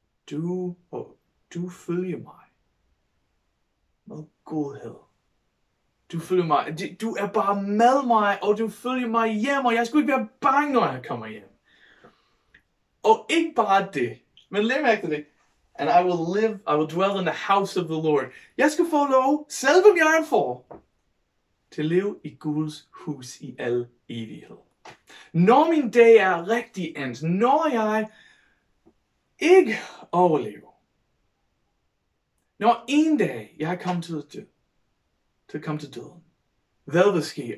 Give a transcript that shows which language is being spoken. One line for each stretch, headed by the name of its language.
Danish: Du følger mig med godhed. Du følger mig. Du er bare med mig, og du følger mig hjem, og jeg skulle ikke være bange, når jeg kommer hjem. Og ikke bare det, men lad mærke til det.
English: And I will dwell in the house of the Lord.
Danish: Jeg skal få lov, selvom jeg er for, til at leve i Guds hus i al evighed. Når min dag er rigtig endt, når jeg ikke overlever, når en dag jeg kommer til at komme til døden, hvad vil ske?